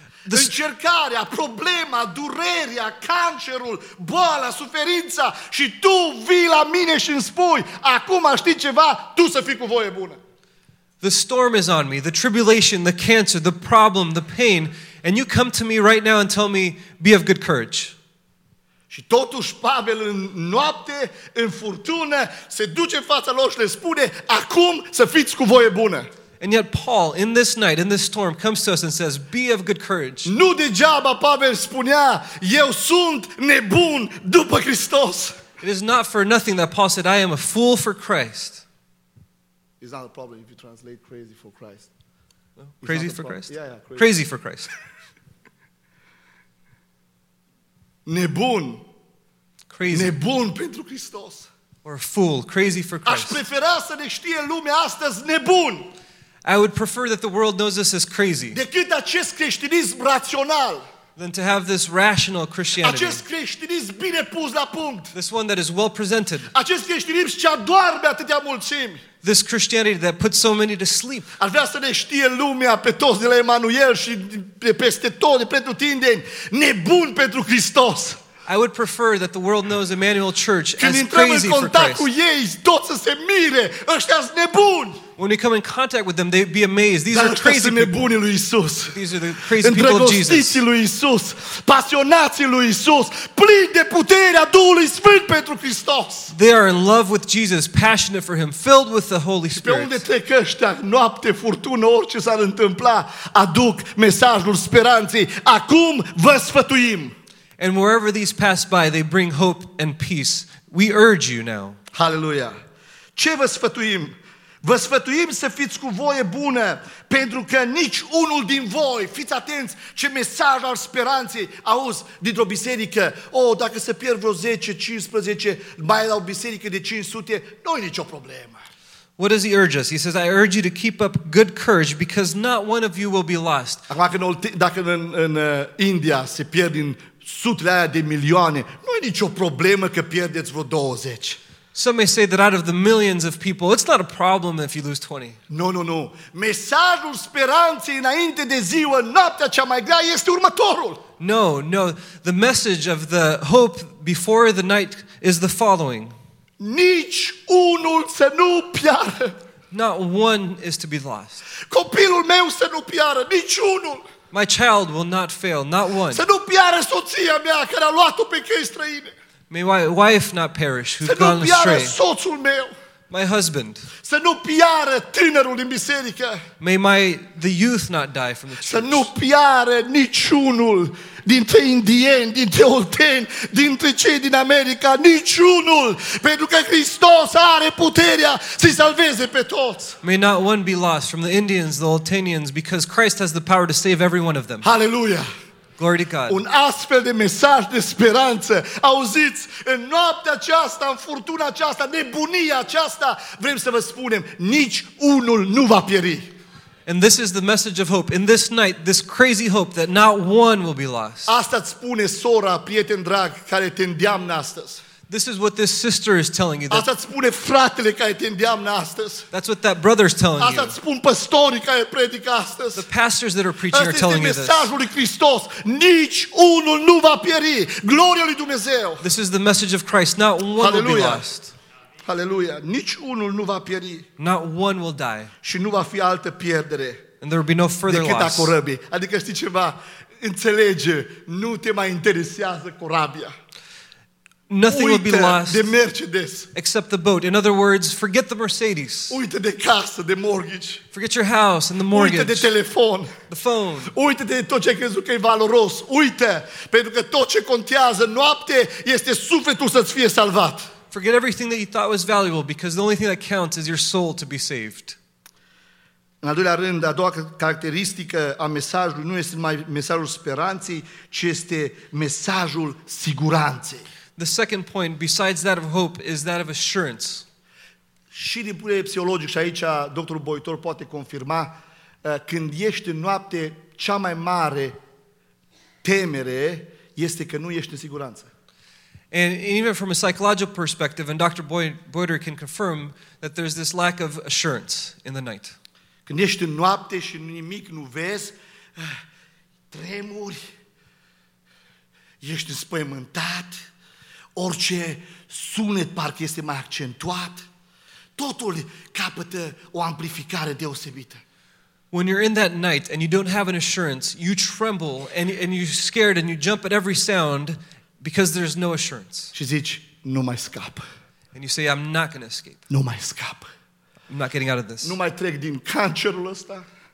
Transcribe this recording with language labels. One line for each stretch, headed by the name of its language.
Romanian: Încercarea, problema, durerea, cancerul, boala, suferința și tu vii la mine și îmi spui, acum știi ceva, tu să fii cu voie bună.
English: The storm is on me, the tribulation, the cancer, the problem, the pain, and you come to me right now and tell me, be of good courage.
Romanian: Și totuși Pavel în noapte, în furtună, se duce în fața lor și le spune, acum să fiți cu voie bună.
English: And yet Paul, in this night, in this storm, comes to us and says, be of good courage.
Romanian: Nu degeaba Pavel spunea, eu sunt nebun după Hristos.
English: It is not for nothing that Paul said, I am a fool for Christ. It's not a problem if you translate crazy for Christ. No? Crazy for Christ? Yeah, yeah. Crazy for Christ.
Romanian: Nebun.
English: Crazy.
Romanian: Nebun pentru Hristos.
English: Or a fool, crazy for Christ.
Romanian: Aș prefera să ne știe lumea astăzi nebun.
English: I would prefer that the world knows us as crazy.
Romanian: Decât acest creștinism rațional.
English: Than to have this rational Christianity.
Romanian: Acest creștinism bine pus la punct.
English: This one that is well presented.
Romanian: Acest creștinism ce adoarbe atâtea mulțimi.
English: This Christianity that puts so many to sleep.
Romanian: Ar vrea să ne știe lumea pe toți de la Emanuel și de peste tot, de pretutindeni, nebun pentru Hristos.
English: I would prefer that the world knows Emmanuel Church
Romanian: când
English: as crazy
Romanian: în contact
English: for Christ.
Romanian: Cu ei, tot să se mire, ăștia-s nebuni.
English: When we come in contact with them, they'd be amazed. These
Romanian: Dar
English: are crazy people.
Romanian: Lui Isus.
English: These are the crazy people of Jesus.
Romanian: Lui Isus, pasionații lui Isus, plini de puterea Duhului Sfânt pentru Hristos.
English: They are in love with Jesus, passionate for him, filled with the Holy Spirit.
Romanian: Pe unde trec ăștia, noapte, furtună, orice s-ar întâmpla, aduc mesajul speranței. Acum vă sfătuim.
English: And wherever these pass by, they bring hope and peace. We urge you now.
Romanian: Hallelujah. Ce vă sfătuim? Vă sfătuim să fiți cu voie bună, pentru că nici unul din voi, fiți atenți, ce mesaj al speranței auzi dintr-o biserică. Oh, dacă se pierd vreo 10, 15, mai la o biserică de 500, nu-i nicio problemă.
English: What does he urge us? He says, I urge you to keep up good courage because not one of you will be lost.
Romanian: Acum, dacă în India se pierd din sutele aia de milioane, nu e nicio problemă că pierdeți vreo 20.
English: Some may say that out of the millions of people, it's not a problem if you lose 20. No, no, no.
Romanian: Mesajul speranței înainte de ziua, noaptea cea mai grea, este următorul.
English: No, no. The message of the hope before the night is the following.
Romanian: Nici unul să nu piară.
English: Not one is to be lost.
Romanian: Copilul meu să nu piară, nici unul.
English: My child will not fail, not one.
Romanian: Să nu piară soția mea care a luat-o pe căi străine.
English: May my wife not perish who's gone astray.
Romanian: Să nu piară soțul meu.
English: My husband.
Romanian: Să nu piară tinerul din biserică.
English: May the youth not die from the church.
Romanian: Să nu piară niciunul dintre indieni, dintre olteni, dintre cei din America, niciunul, pentru că Hristos are puterea să-i salveze pe toți.
English: May not one be lost from the Indians, the Oltenians, because Christ has the power to save every one of them. Hallelujah. Glory to God.
Romanian: Un astfel de mesaj de speranță. Auziți, în noaptea aceasta, în furtuna aceasta, nebunia aceasta, vrem să vă spunem, nici unul nu va pieri.
English: And this is the message of hope. In this night, this crazy hope that not one will be lost.
Romanian: Asta îți spune sora, prieten drag, care te îndeamnă astăzi.
English: This is what this sister is telling you.
Romanian: Asta îți spune fratele care te îndeamnă astăzi.
English: That's what that brother is telling you.
Romanian: Asta îți spun pastorii care predică astăzi.
English: The pastors that are preaching are telling you this.
Romanian: Asta este mesajul lui Hristos. Nici unul nu va pieri. Gloria lui Dumnezeu.
English: This is the message of Christ. Not one will be lost.
Romanian: Hallelujah. Nici unul nu va pieri.
English: Not one will die.
Romanian: Și nu va fi altă pierdere.
English: And there will be no further loss.
Romanian: Decât corabie. Adică știi ceva? Înțelege. Nu te mai interesează corabia.
English: Nothing will be lost
Romanian: de Mercedes.
English: Except the boat. In other words, forget the Mercedes.
Romanian: Uite de casă, de mortgage.
English: Forget your house and the mortgage.
Romanian: Uite de telefon.
English: The phone.
Romanian: Uite de tot ce crezi că e valoros. Uite, pentru că tot ce contează noapte este sufletul să-ți fie salvat.
English: Forget everything that you thought was valuable because the only thing that counts is your soul to be saved.
Romanian: În al doilea rând, a doua caracteristică a mesajului nu este mai mesajul speranței, ci este mesajul siguranței.
English: The second point, besides that of hope, is that of assurance.
Romanian: Și din punct de vedere psihologic, și aici doctorul Boitor poate confirma, când ești în noapte, cea mai mare temere este că nu ești în siguranță.
English: And even from a psychological perspective, and Dr. Boitor can confirm that there's this lack of assurance in the night.
Romanian: Când ești în noapte și nimic nu vezi, tremuri, ești înspăimântat, orice sunet parcă este mai accentuat, totul capătă o amplificare deosebită.
English: When you're in that night and you don't have an assurance, you tremble and you're scared and you jump at every sound because there's no assurance.
Romanian: Și zici, nu mai scap.
English: And you say, I'm not going to escape.
Romanian: Nu mai scap.
English: I'm not getting out of this.
Romanian: Nu mai trec din cancerul ăsta.